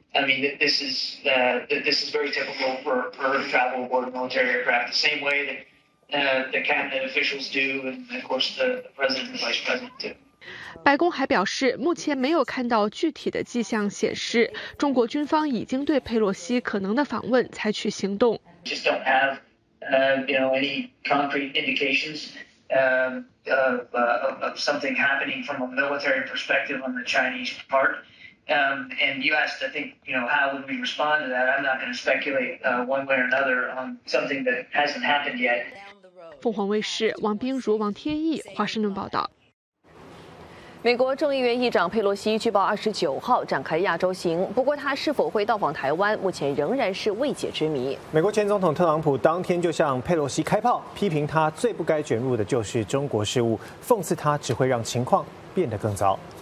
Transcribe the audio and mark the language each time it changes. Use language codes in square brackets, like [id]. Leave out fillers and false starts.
[en] I mean, this is very typical for her to travel aboard military aircraft, the same way that the cabinet officials do, and of course the president and vice president do. [zh] 白宫还表示，目前没有看到具体的迹象显示中国军方已经对佩洛西可能的访问采取行动。 [en] Just don't have, any concrete indications. Of something happening from a military perspective on the Chinese part. And you asked, I think, how would we respond to that? I'm not going to speculate one way or another on something that hasn't happened yet. [zh] 凤凰卫视王冰如、王天意，华盛顿报道。美国众议院议长佩洛西据报29号展开亚洲行，不过他是否会到访台湾，目前仍然是未解之谜。美国前总统特朗普当天就向佩洛西开炮，批评他最不该卷入的就是中国事务，讽刺他只会让情况变得更糟。